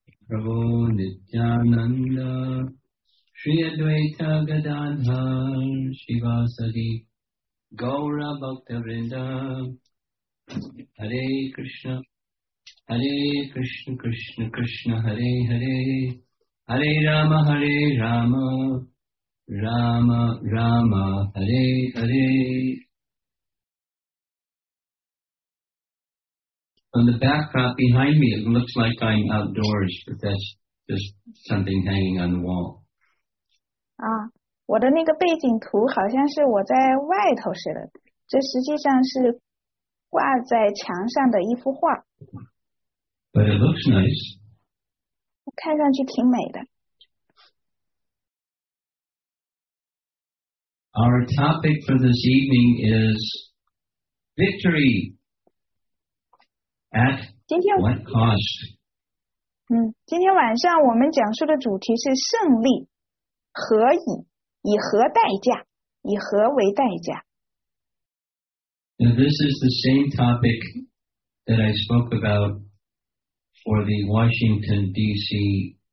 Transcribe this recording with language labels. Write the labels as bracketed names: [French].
[Sanskrit] Prabhu Nityananda Shri Advaita Gadadhar Shivasadi Gaura Bhaktavrinda Hare Krishna Hare Krishna Krishna Krishna Hare Hare Hare Rama, Hare Rama, Rama, Rama, Hare Hare. [English] On the backdrop behind me, it looks like I'm outdoors, but that's just something hanging on the wall. [Chinese] Ah, 我的那个背景图好像是我在外头似的, 这实际上是挂在墙上的一幅画。 [English] But it looks nice. [Chinese] 看上去挺美的。 [English] Our topic for this evening is victory at [Chinese] 今天, [English] what cost? [Chinese] 今天晚上我们讲述的主题是胜利, 何以, 以何代价, 以何为代价? [English] Now this is the same topic that I spoke about for the Washington, D.C.